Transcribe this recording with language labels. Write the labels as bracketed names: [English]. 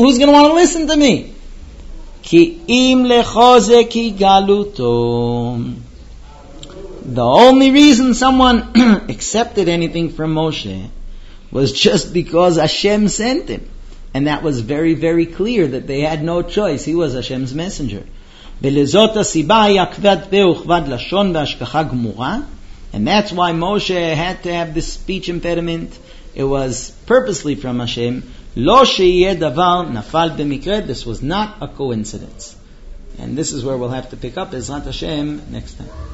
[English] Who's going to want to listen to me? [Hebrew] Ki im lechoze ki galuto. [English] The only reason someone accepted anything from Moshe was just because Hashem sent him. And that was very, very clear that they had no choice. He was Hashem's messenger. [Hebrew] ולזאת הסיבה היה כבד פה וכבד לשון והשכחה גמורה. [English] And that's why Moshe had to have this speech impediment. It was purposely from Hashem. [Hebrew] לא שיהיה דבר נפל במקרה. [English] This was not a coincidence. And this is where we'll have to pick up Ezrat Hashem next time.